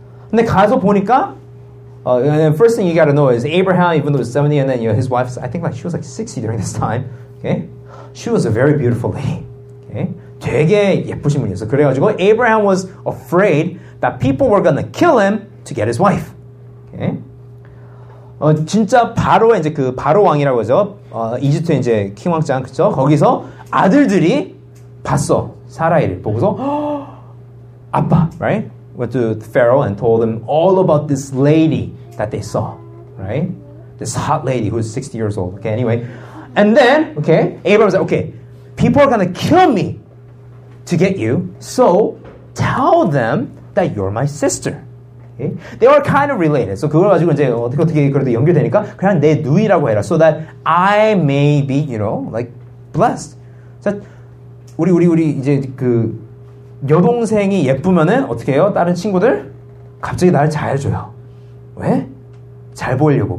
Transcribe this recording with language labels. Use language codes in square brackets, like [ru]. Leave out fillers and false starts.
[ko] 근데 가서 보니까 [en] and then first thing you gotta know is Abraham, even though he was 70, and then his wife, I think like she was like 60 during this time. Okay? She was a very beautiful lady. Okay? [ko] 되게 예쁘신 분이었어. 그래가지고 [en] Abraham was afraid that people were gonna kill him to get his wife. Okay? [ko] 진짜 바로 이제 그 바로 왕이라고 하죠. 이집트 이제 킹 왕짱 그죠? 거기서 아들들이 봤어 사라이를 보고서 아빠, right? [en] Went to Pharaoh and told him all about this lady that they saw, right? This hot lady who's 60 years old. Okay, anyway, and then okay, Abraham said, okay, people are gonna kill me. To get you, so tell them that you're my sister. Okay? They are kind of related. [ko] So 그걸 가지고 이제 어떻게 그래도 연결되니까 그냥 내 누이라고 해라. [en] So that I may be, like blessed. [ko] So 우리 이제 그 여동생이 예쁘면은 어떻게 해요? 다른 친구들 갑자기 나를 잘 줘요. 왜? 잘 보이려고.